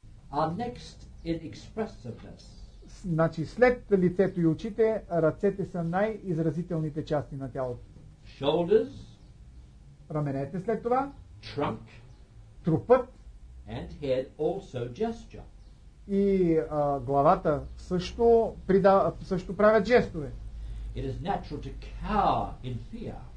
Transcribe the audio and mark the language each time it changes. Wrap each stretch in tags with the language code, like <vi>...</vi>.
<en>а next in expressiveness.</en> <bg>Значи след лицето и очите, ръцете са най-изразителните части на тялото.</bg> <en>Shoulders.</en> <bg>Раменете след това.</bg> <en>Trunk.</en> <bg>Трупът.</bg> <en>And head also gesture.</en> <bg>И главата също придава, също правят жестове.</bg> <en>It is natural to cower in fear.</en>